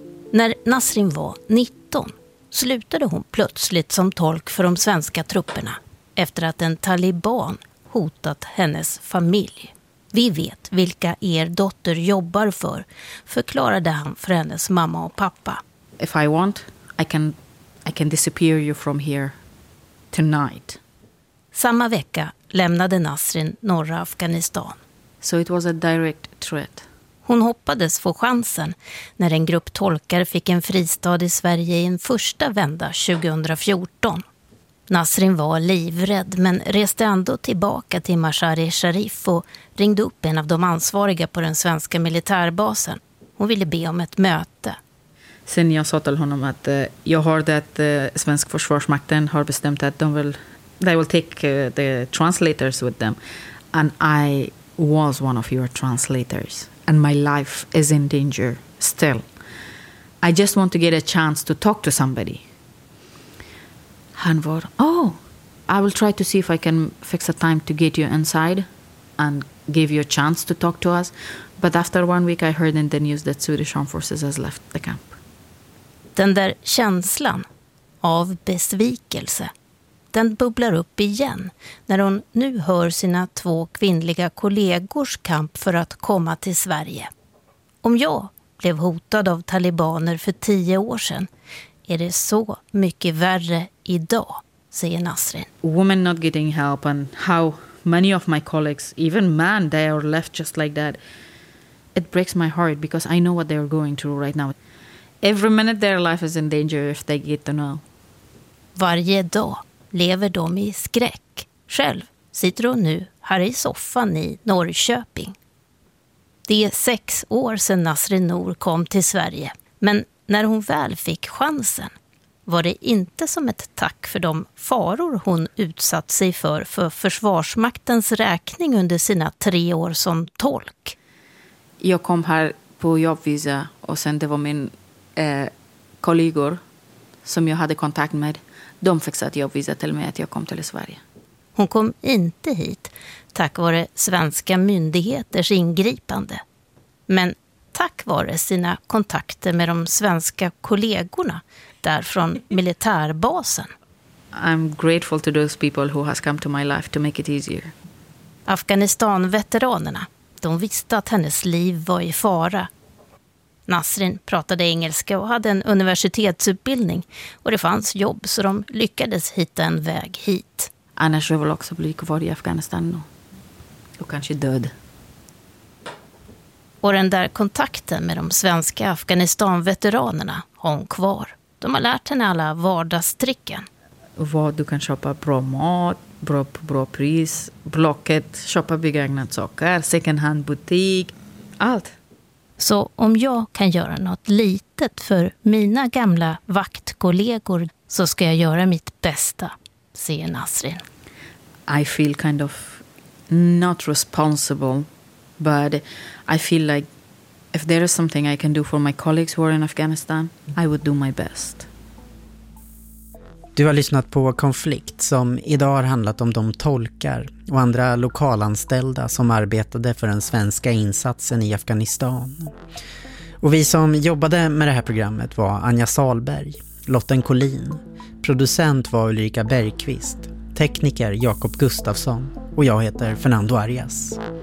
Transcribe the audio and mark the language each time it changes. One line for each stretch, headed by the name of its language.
Swedish: När Nasrin var 19 slutade hon plötsligt som tolk för de svenska trupperna efter att en taliban hotat hennes familj. Vi vet vilka er dotter jobbar för, förklarade han för hennes mamma och pappa.
English: If I want, I can disappear you from here tonight.
Swedish: Samma vecka lämnade Nasrin norra Afghanistan.
English: So it was a direct threat.
Swedish: Hon hoppades få chansen när en grupp tolkar fick en fristad i Sverige i en första vända 2014. Nasrin var livrädd men reste ändå tillbaka till Mazar-e-Sharif och ringde upp en av de ansvariga på den svenska militärbasen. Hon ville be om ett möte. Sen jag sa till honom att jag hörde att svensk försvarsmakten har bestämt att
English: they will take the translators with them. And I was one of your translators. And my life is in danger still. I just want to get a chance to talk to somebody.
Swedish: Han var,
English: I will try to see if I can fix a time to get you inside and give you a chance to talk to us. But after one week I heard in the news that Swedish Armed Forces has left the camp.
Swedish: Den där känslan av besvikelse, den bubblar upp igen när hon nu hör sina två kvinnliga kollegors kamp för att komma till Sverige. Om jag blev hotad av talibaner för 10 år sedan, är det så mycket värre idag, säger Nasrin.
English: Women not getting help and how many of my colleagues, even men, they are left just like that. It breaks my heart because I know what they are going through right now. Every minute their life is in danger if they get to know.
Swedish: Varje dag lever de i skräck. Själv sitter hon nu här i soffan i Norrköping. Det är 6 år sedan Nasrin Nor kom till Sverige. Men när hon väl fick chansen var det inte som ett tack för de faror hon utsatt sig för försvarsmaktens räkning under sina 3 år som tolk. Jag kom här på jobbvisa och sen det var min kollegor som jag hade kontakt med. De fixade jobbvisa till mig att jag kom till Sverige. Hon kom inte hit tack vare svenska myndigheters ingripande. Men tack vare sina kontakter med de svenska kollegorna där från militärbasen.
English: I'm grateful to those people who has come to my life to make it easier.
Swedish: Afghanistan-veteranerna, de visste att hennes liv var i fara. Nasrin pratade engelska och hade en universitetsutbildning och det fanns jobb så de lyckades hitta en väg hit. Annars skulle jag väl också bli kvar i Afghanistan nu. Och kanske död. Och den där kontakten med de svenska Afghanistan-veteranerna har hon kvar. De har lärt henne alla vardagstricken. Vad du kan köpa bra mat, bra pris, Blocket, köpa begagnat saker, second hand butik, allt. Så om jag kan göra något litet för mina gamla vaktkollegor så ska jag göra mitt bästa, säger Nasrin.
English: I feel kind of not responsible, but I feel like if there is something I can do for my colleagues who are in Afghanistan, I would do my best.
Swedish: Du har lyssnat på Konflikt som idag har handlat om de tolkar och andra lokalanställda som arbetade för den svenska insatsen i Afghanistan. Och vi som jobbade med det här programmet var Anja Salberg, Lotten Collin, producent var Ulrika Bergqvist, tekniker Jakob Gustafsson och jag heter Fernando Arias.